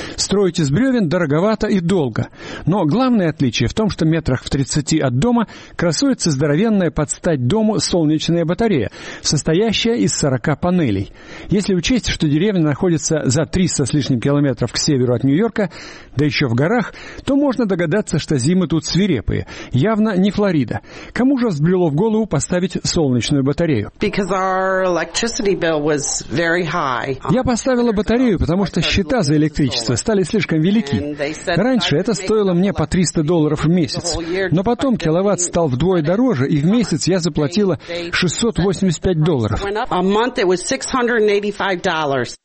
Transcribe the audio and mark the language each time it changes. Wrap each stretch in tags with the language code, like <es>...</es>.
<ru>Строить из бревен дороговато и долго. Но главное отличие в том, что метрах в 30 от дома красуется здоровенная под стать дому солнечная батарея, состоящая из 40 панелей. Если учесть, что деревня находится за 300 с лишним километров к северу от Нью-Йорка, да еще в горах, то можно догадаться, что зимы тут свирепые. Явно не Флорида. Кому же взбрело в голову поставить солнечную батарею?</ru> <en>Because our electricity bill was very high.</en> <ru>Я поставила батарею, потому что счета за электричество стали слишком велики. Раньше это стоило мне по $300 в месяц. Но потом киловатт стал вдвое дороже, и в месяц я заплатила $685.</ru> <en>A month it was $685.</en>